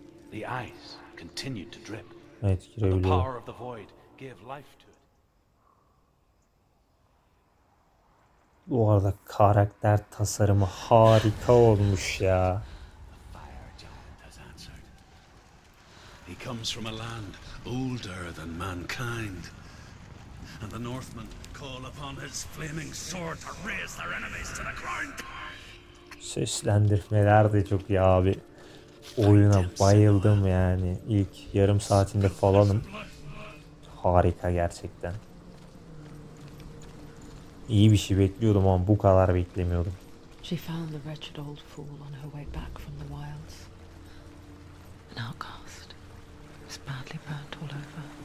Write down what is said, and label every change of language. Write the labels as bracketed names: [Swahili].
[English] The ice continued to drip. [Turkish] Evet, [English] the power of the void gave life to it. [Turkish] Bu arada karakter tasarımı harika olmuş ya. [English] The fire giant has answered. He comes from a land older than mankind. And the Northmen call upon his flaming sword to raise their enemies to the ground. [Turkish] Seslendirmeler de çok iyi abi. Oyuna bayıldım yani. İlk yarım saatinde falanım. Harika gerçekten. İyi bir şey bekliyordum ama bu kadar beklemiyordum. [English] She found the wretched old fool on her way back from the wilds. An outcast. He was badly burnt all over.